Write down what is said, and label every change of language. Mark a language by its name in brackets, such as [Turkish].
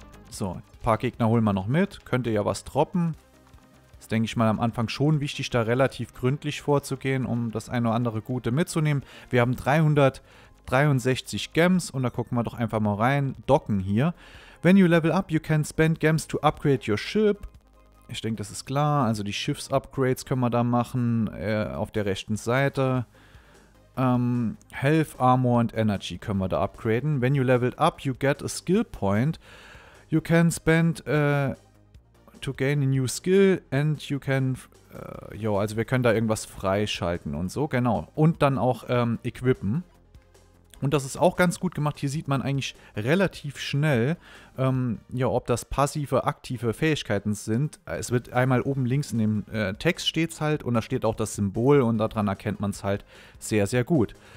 [German] So, ein paar Gegner holen wir noch mit. Könnte ja was droppen. Ist, denke ich mal, am Anfang schon wichtig, da relativ gründlich vorzugehen, um das eine oder andere Gute mitzunehmen. Wir haben 363 Gems und da gucken wir doch einfach mal rein. Docken hier. [English] When you level up, you can spend gems to upgrade your ship. [German] Ich denke, das ist klar. Also die Schiffs-Upgrades können wir da machen auf der rechten Seite. Health, Armor und Energy können wir da upgraden. [English] When you level up, you get a skill point. You can spend to gain a new skill and you can... [German] also wir können da irgendwas freischalten und so, genau. Und dann auch equippen. Und das ist auch ganz gut gemacht. Hier sieht man eigentlich relativ schnell, ob das passive, aktive Fähigkeiten sind. Es wird einmal oben links in dem Text steht es halt und da steht auch das Symbol und daran erkennt man es halt sehr, sehr gut.